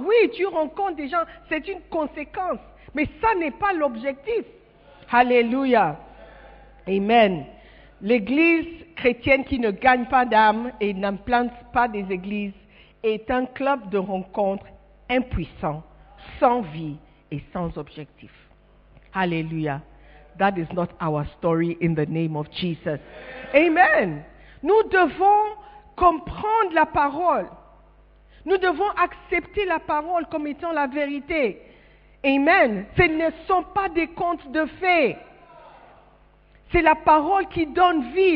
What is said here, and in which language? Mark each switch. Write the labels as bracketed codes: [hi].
[fr] Oui, tu rencontres des gens, c'est une conséquence. Mais ça n'est pas l'objectif. Alléluia. Amen. L'église chrétienne qui ne gagne pas d'âme et n'implante pas des églises est un club de rencontres impuissant, sans vie et sans objectif. Alléluia. [en] That is not our story in the name of Jesus. [fr] Amen. Nous devons comprendre la parole. Nous devons accepter la parole comme étant la vérité. Amen. Ce ne sont pas des contes de fées. C'est la parole qui donne vie.